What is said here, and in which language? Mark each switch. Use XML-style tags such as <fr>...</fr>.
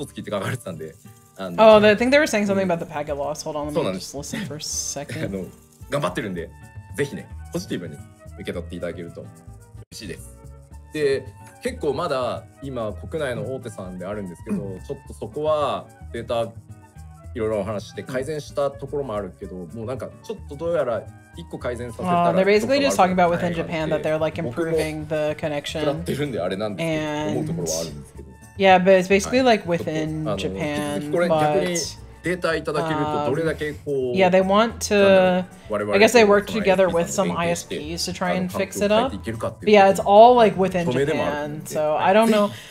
<en>Oh, I think they were saying something about the packet loss. Hold on, let me just listen for a second.</en> <ja>頑張ってるんで、ぜひね、ポジティブに受け取っていただけると嬉しいです。で、結構まだ今国内の大手さんであるんですけど、ちょっとそこはデータいろいろお話して改善したところもあるけど、もうなんかちょっとどうやら一個改善させたら。</ja> <en>They're basically just talking about within Japan that they're like improving the connection.</en> <ja>僕も食らってるんであれなんですけど、思うところはあるんですけど。</ja> <en>Yeah, but it's basically like within Japan, but yeah, they want to, I guess they work together with some ISPs to try and fix it up. But yeah, it's all like within Japan, so I don't know.</en>